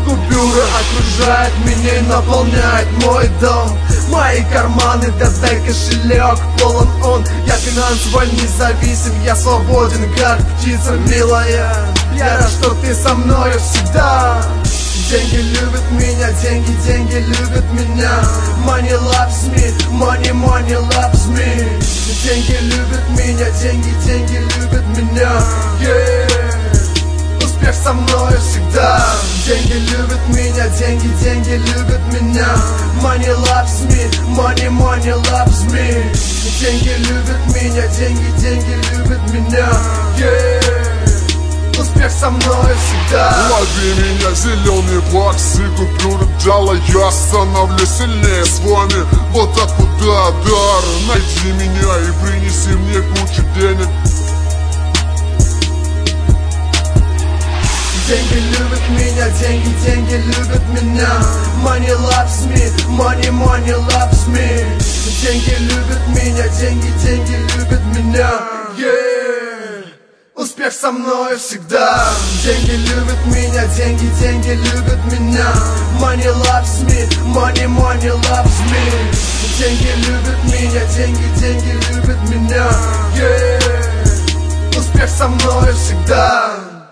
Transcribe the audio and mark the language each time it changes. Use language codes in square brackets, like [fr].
[ru] Купюра окружает меня и наполняет мой дом. Мои карманы, да дай кошелек, полон он. Я финансово независим, я свободен, как птица милая. Я рад, что ты со мною всегда. Деньги любят меня, деньги, деньги любят меня. [en] Money loves me, money, money loves me. [ru] Деньги любят меня, деньги, деньги любят меня, yeah. Успех со мною всегда. Деньги любят меня, деньги, деньги любят меня. [en] Money loves me, money, money loves me. [ru] Деньги любят меня, деньги, деньги любят меня, yeah. Со мной всегда. Лови меня, зеленый бакс и купюры джала. Я становлюсь сильнее с вами, вот так вот удар. Найди меня и принеси мне кучу денег. Деньги любят меня, деньги, деньги любят меня. [en] Money loves me, money, money loves me. [ru] Деньги любят меня, деньги, деньги любят меня, yeah. Успех со мною всегда. Деньги любят меня, деньги, деньги любят меня. [en] Money loves me, money, money loves me. [ru] Деньги любят меня, деньги, деньги любят меня, yeah. Успех со мною всегда.